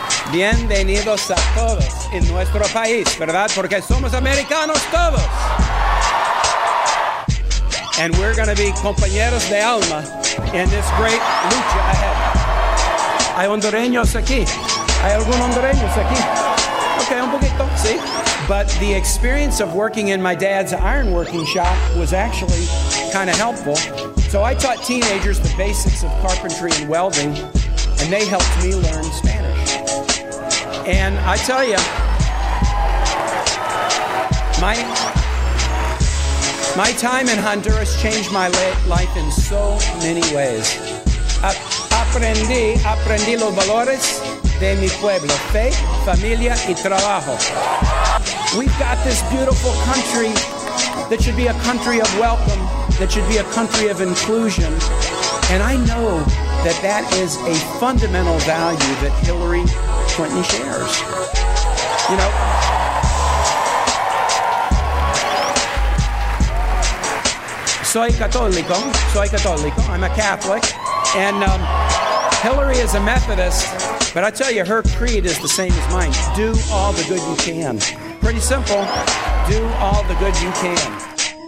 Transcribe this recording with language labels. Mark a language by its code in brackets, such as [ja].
[es] Bienvenidos a todos en nuestro país, ¿verdad? Porque somos americanos todos. [en] And we're going to be [es] compañeros de alma [en] in this great lucha ahead. [es] Hay hondureños aquí. Hay algún hondureños aquí. Okay, un poquito, sí. [en] But the experience of working in my dad's ironworking shop was actually kind of helpful. So I taught teenagers the basics of carpentry and welding, and they helped me learn Spanish. And I tell you, my time in Honduras changed my life in so many ways. [es] Aprendí los valores de mi pueblo, fe, familia y trabajo. [en] We've got this beautiful country that should be a country of welcome, that should be a country of inclusion. And I know that is a fundamental value that Hillary Clinton shares. You know, [es] soy católico, [en] I'm a Catholic, and Hillary is a Methodist, but I tell you, her creed is the same as mine. Do all the good you can. Pretty simple, do all the good you can.